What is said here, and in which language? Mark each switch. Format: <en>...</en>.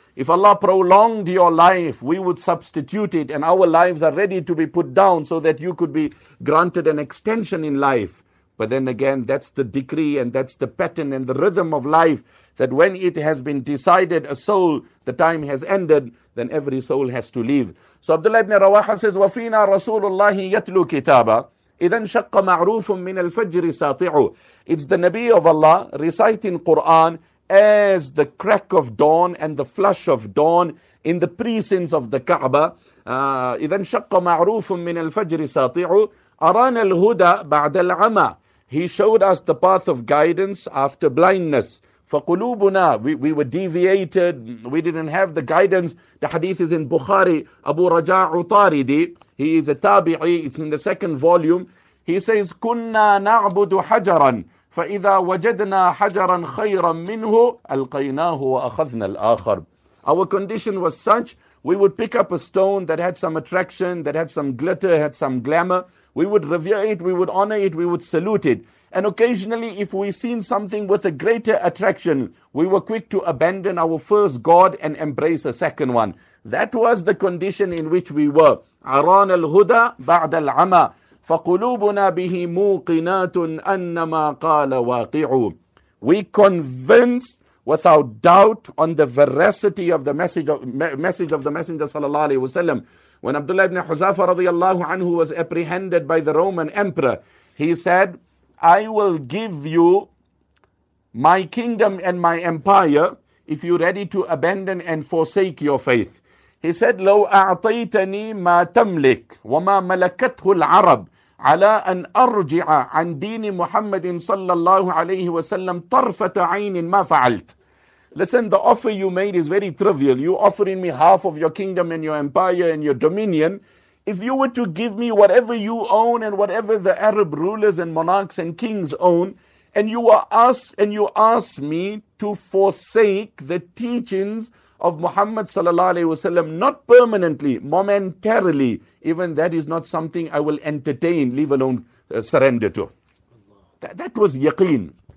<en>If Allah prolonged your life, we would substitute it, and our lives are ready to be put down so that you could be granted an extension in life. But then again, that's the decree and that's the pattern and the rhythm of life, that when it has been decided a soul, the time has ended, then every soul has to leave. So Abdullah ibn Rawaha says,</en> <ar>وَفِينَا رَسُولُ اللَّهِ يَتْلُو كِتَابًا إِذَنْ شَقَّ مَعْرُوفٌ مِّنَ الْفَجْرِ سَاطِعُ.</ar> <en>It's the Nabi of Allah reciting Quran as the crack of dawn and the flush of dawn in the precincts of the Kaaba.</en> <ar>إِذَنْ شَقَّ مَعْرُوفٌ مِّنَ الْفَجْرِ سَاطِعُ أَرَانَا الْهُدَى بَعْدَ الْعَمَى.</ar> <en>He showed us the path of guidance after blindness. فَقُلُوبُنَا, we were deviated, we didn't have the guidance. The hadith is in Bukhari, Abu Raja Utaridi, he is a tabi'i, it's in the second volume. He says,</en> <ar>كُنَّا نَعْبُدُ حَجَرًا فَإِذَا وَجَدْنَا حَجَرًا خَيْرًا مِّنْهُ أَلْقَيْنَاهُ وَأَخَذْنَا الْآخَرُ.</ar> <en>Our condition was such, we would pick up a stone that had some attraction, that had some glitter, had some glamour. We would revere it, we would honor it, we would salute it. And occasionally, if we seen something with a greater attraction, we were quick to abandon our first God and embrace a second one. That was the condition in which we were.</en> <ar>عَرَانَ الْهُدَى بَعْدَ الْعَمَى فَقُلُوبُنَا بِهِ مُوقِنَاتٌ أَنَّمَا قَالَ وَاقِعُ.</ar> <en>We convinced without doubt on the veracity of the message of the Messenger sallallahu alayhi wa sallam. When Abdullah ibn Huzafa radiallahu anhu was apprehended by the Roman emperor, he said, I will give you my kingdom and my empire if you're ready to abandon and forsake your faith. He said,</en> <ar>لو أعطيتني ما تملك وما ملكته العرب على أن أرجع عن دين محمد صلى الله عليه وسلم طرفة عين ما فعلت.</ar> <en>Listen, the offer you made is very trivial. You're offering me half of your kingdom and your empire and your dominion. If you were to give me whatever you own and whatever the Arab rulers and monarchs and kings own, and you ask me to forsake the teachings of Muhammad sallallahu alaihi wasallam, not permanently, momentarily, even that is not something I will entertain, leave alone surrender to. That was yaqeen.</en>